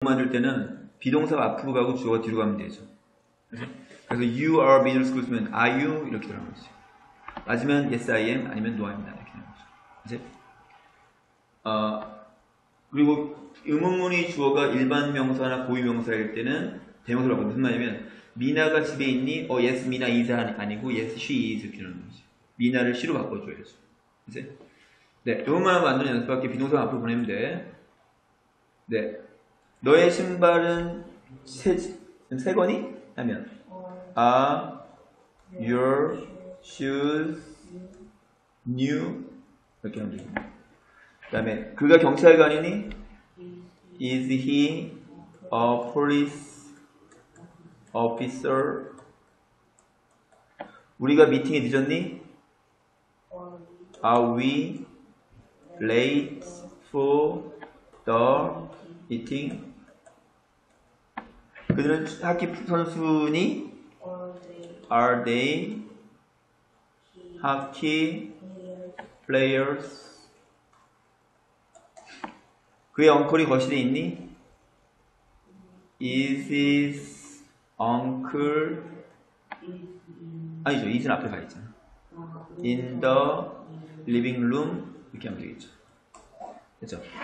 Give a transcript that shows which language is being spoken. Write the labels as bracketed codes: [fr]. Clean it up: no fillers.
[ko] 만들 때는 비동사 앞으로 가고 주어 뒤로 가면 되죠. 그래서 [en] you are middle school [ko] 쓰면 [en] are you [ko] 이렇게 들어가면 되죠. 맞으면 [en] yes I am [ko] 아니면 [en] no I'm not [ko] 이렇게 되는 거죠. 이제 그리고 의문문이 주어가 일반 명사나 고유 명사일 때는 대명사로 가면 무슨 말이냐면 미나가 집에 있니? 어 yes 미나 is 아니고 [en] yes she is [ko] 이렇게 되는 거죠. 미나를 she로 바꿔줘야죠. 이제 네 의문문을 만드는 연습할게 비동사 앞으로 보내면 돼. 네. 너의 신발은 세 건이? 하면 [en] are your shoes new? [ko] 이렇게 하면 되죠. 그 다음에 그가 경찰관이니? [en] Is he a police officer? [ko] 우리가 미팅에 늦었니? [en] Are we late for the meeting? [ko] 그들은 하키 선수니? [en] Are they hockey players? [ko] 그의 언클이 거실에 있니? [en] Is his uncle? [ko] 아니죠. Is는 앞에 가 있잖아. [en] In the living room? [ko] 이렇게 하면 되겠죠. 그렇죠?